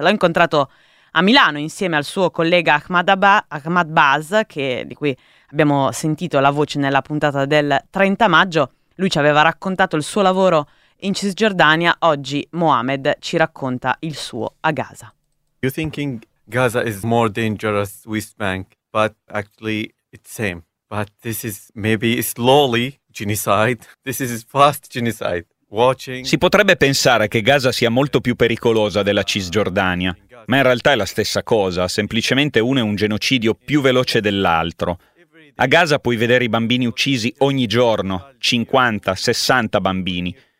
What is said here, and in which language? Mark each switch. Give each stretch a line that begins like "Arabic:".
Italian: L'ho incontrato a Milano insieme al suo collega Ahmad Baz, di cui abbiamo sentito la voce nella puntata del 30 maggio. Lui ci aveva raccontato il suo lavoro in Cisgiordania, oggi Mohamed ci racconta il suo a Gaza.
English: You're thinking Gaza is more dangerous, West Bank, but actually it's same. But this is maybe slowly genocide. This is fast genocide. Watching.
Italian: Si potrebbe pensare che Gaza sia molto più pericolosa della Cisgiordania, ma in realtà è la stessa cosa, semplicemente uno è un genocidio più veloce dell'altro. A Gaza puoi vedere i bambini uccisi ogni giorno, 50, 60 bambini.